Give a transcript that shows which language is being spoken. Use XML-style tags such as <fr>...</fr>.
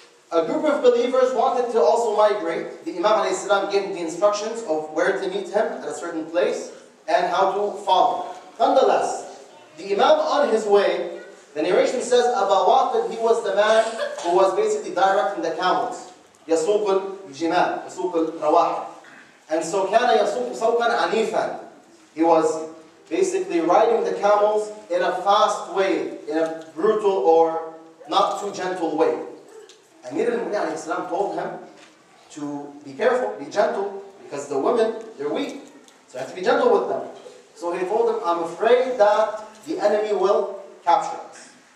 <en>A group of believers wanted to also migrate. The Imam alayhi salam gave him the instructions of where to meet him at a certain place and how to follow. Nonetheless, the Imam on his way, the narration says Aba Waqid, he was the man who was basically directing the camels.</en> <ar>يسوق الجمال, يسوق الرواحل.</ar> <en>And so</en> <ar>كان يسوق سوقا عنيفا.</ar> <en>He was basically riding the camels in a fast way, in a brutal or not too gentle way. Amir al-Mu'mineen alayhi salam told him to be careful, be gentle, because the women, they're weak. So you have to be gentle with them. So he told him, I'm afraid that the enemy will capture us.</en>